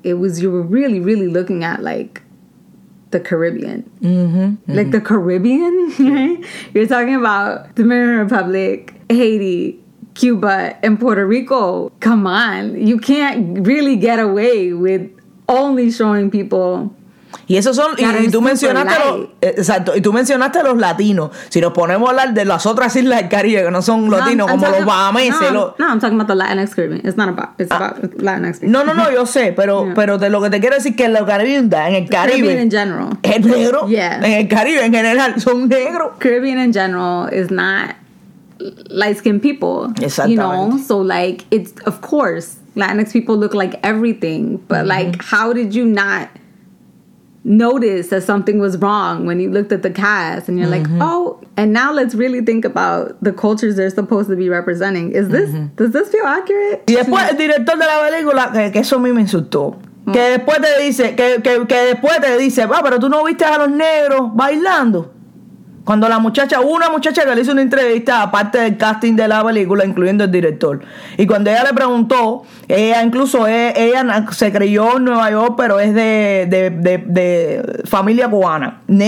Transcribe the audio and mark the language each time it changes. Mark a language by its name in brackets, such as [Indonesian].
[English] It was, you were really, really looking at, like, the Caribbean. Mm-hmm. Mm-hmm. Like, the Caribbean? You're talking about the Dominican Republic, Haiti, Cuba, and Puerto Rico. Come on. You can't really get away with only showing people... [Spanish] Y esos son, y tú mencionaste los latinos. Si nos ponemos a hablar de las otras islas del Caribe que no son latinos, como los Bahamas. [English] I'm talking about the Latinx Caribbean. It's about Latinx Caribbean. [Spanish] No, yo sé, pero, yeah. pero de lo que te quiero decir que en el Caribe. [English] Caribbean in general. [Spanish] Es negro. [English] Yeah. [Spanish] En el Caribe en general son negros. [English] Caribbean in general is not light skinned people. [Spanish] Exactamente. [English] You know? So, like, it's, of course, Latinx people look like everything, but, mm-hmm. like, how did you not notice that something was wrong when you looked at the cast and you're mm-hmm. like, oh, and now let's really think about the cultures they're supposed to be representing. Is this, mm-hmm. does this feel accurate? [Spanish] Y después el director de la película, que eso a mí me insultó, que después te dice, va, pero tú no viste a los negros bailando. Cuando la muchacha, una muchacha que le hizo una entrevista aparte del casting de la película, incluyendo el director. Y cuando ella le preguntó, ella se crió en Nueva York, pero es de familia cubana.